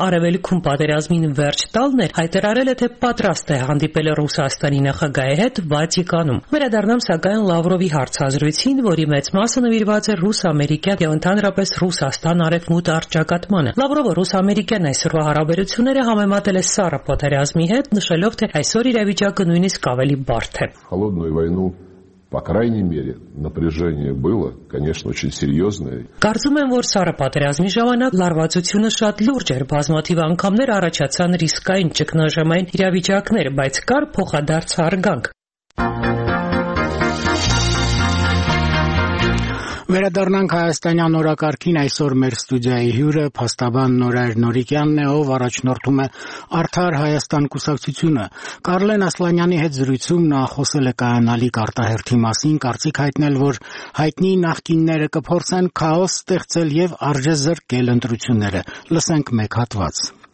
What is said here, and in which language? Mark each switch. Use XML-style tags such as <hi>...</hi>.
<hy>արևելքում պատերազմին վերջ տալն էր, հայտարարել է, թե պատրաստ է հանդիպել Ռուսաստանի նախագահի հետ Վատիկանում։ Վերադառնամ սակայն Լավրովի հարցազրույցին, որի մեծ մասը նվիրված է ռուս-ամերիկյան և ընդհանրապես Ռուսաստան արևմուտ արճակատմանը։ Լավրովը ռուս-ամերիկյան այսօրվա հարաբերությունները համեմատել է սառը պատերազմի հետ, նշելով, թե այսօր իրավիճակը նույնիսկ ավելի</hy> <ru>Холодную войну, по крайней мере, напряжение было, конечно, очень серьезное.</ru> <hy>Կարծում եմ, որ սարը պատերազմի ժամանակ լարվածությունը շատ լուրջ էր, բազմաթիվ անգամներ առաջացան ռիսկային ճգնաժամային իրավիճակներ, բայց կար փոխադարձ հարգանք։ Վերադառնանք Հայաստանյան օրակարգին, այսօր մեր ստուդիայի հյուրը փաստաբան Նորայր Նորիկյանն է, ով առաջնորդում է Արդար Հայաստան կուսակցությունը։ Կարլեն Ասլանյանի հետ զրույցում նա խոսել է կայանալի կարտահերթի մասին, կարծիք հայտնել, որ հայտնի նախկինները կփորձեն քաոս ստեղծել և արժեզրկել ընտրությունները։ Լսենք մեկ հատված։</hy>